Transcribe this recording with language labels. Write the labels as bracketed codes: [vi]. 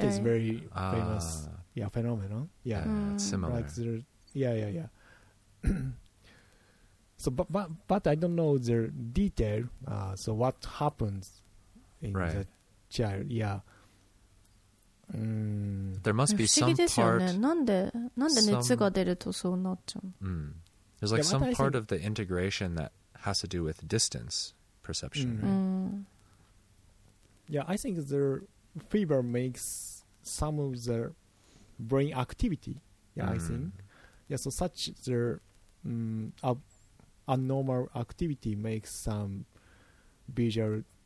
[en] that is very famous yeah phenomenon yeah, yeah similar like the, so but I don't know the detail so what happensIn the child, yeah. There must be some part. [ja] なんで熱が出るとそうなっちゃう。 [en] There's like some part of the integration that has to do with distance perception. Yeah, I think the fever makes some of the brain activity. Yeah, I think. Yeah, so such the abnormal activity makes some visual.